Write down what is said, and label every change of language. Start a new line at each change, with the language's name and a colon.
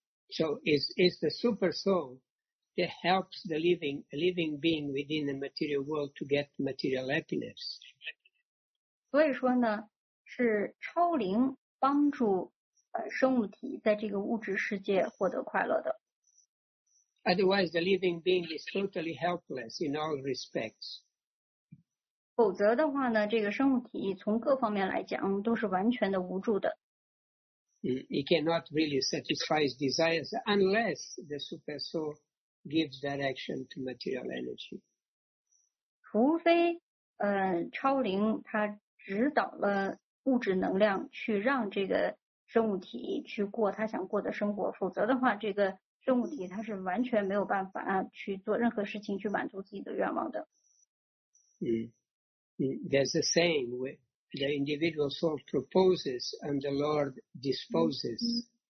English: So is the super soul that helps the living being within the material world to get material happiness.
Chinese: 所以说呢，是超灵帮助生物体在这个物质世界获得快乐的。
English: Otherwise, the living being is totally helpless in all respects.
Chinese: 否则的话呢，这个生物体从各方面来讲都是完全的无助的。
English: He cannot really satisfy his desires unless the super soul gives direction to material energy.
Chinese: 除非超灵它指导了物质能量去让这个生物体去过它想过的生活，否则的话，这个生物体它是完全没有办法去做任何事情去满足自己的愿望的。
English: There's a saying where the individual soul proposes and the Lord disposes.